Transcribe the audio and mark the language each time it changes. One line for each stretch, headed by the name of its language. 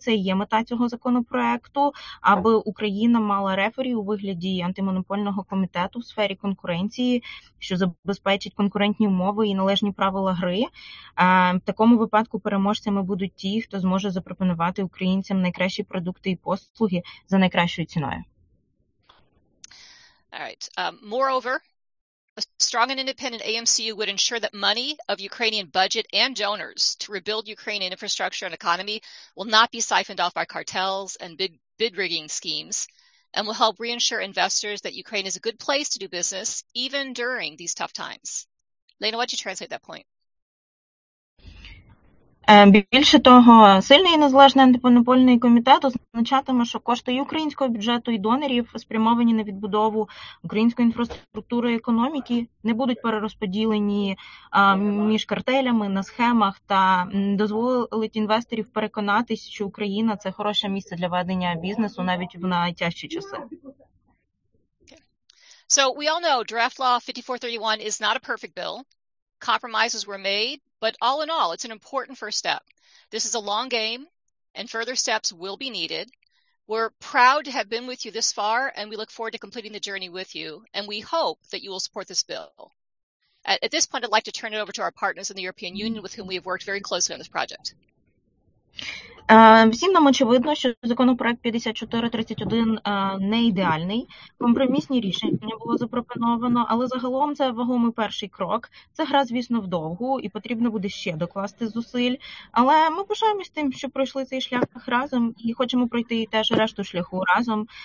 Ukrainian: Це є мета цього законопроекту, аби Україна мала рефері у вигляді антимонопольного комітету в сфері конкуренції, що забезпечить конкурентні умови і належні правила гри. В такому випадку переможцями будуть ті, хто зможе запропонувати українцям найкращі продукти і послуги за найкращою ціною.
English: All right. Moreover, a strong and independent AMCU would ensure that money of Ukrainian budget and donors to rebuild Ukrainian infrastructure and economy will not be siphoned off by cartels and bid rigging schemes, and will help reassure investors that Ukraine is a good place to do business even during these tough times. Lena, why'd you translate that point?
Ukrainian: Більше того, сильний і незалежний антимонопольний комітет означатиме, що кошти і українського бюджету, і донорів, спрямовані на відбудову української інфраструктури і економіки, не будуть перерозподілені між картелями на схемах та дозволить інвесторів переконатись, що Україна – це хороше місце для ведення бізнесу навіть в найтяжчі часи.
English: So, we all know draft law 5431 is not a perfect bill. Compromises were made. But all in all, it's an important first step. This is a long game, and further steps will be needed. We're proud to have been with you this far, and we look forward to completing the journey with you, and we hope that you will support this bill. At this point, I'd like to turn it over to our partners in the European Union, with whom we have worked very closely on this project.
Ukrainian: Всім нам очевидно, що законопроект 5431 не ідеальний. Компромісні рішення було запропоновано, але загалом це вагомий перший крок. Це гра, звісно, вдовгу і потрібно буде ще докласти зусиль. Але ми пишаємось тим, що пройшли цей шлях разом і хочемо пройти теж решту шляху разом.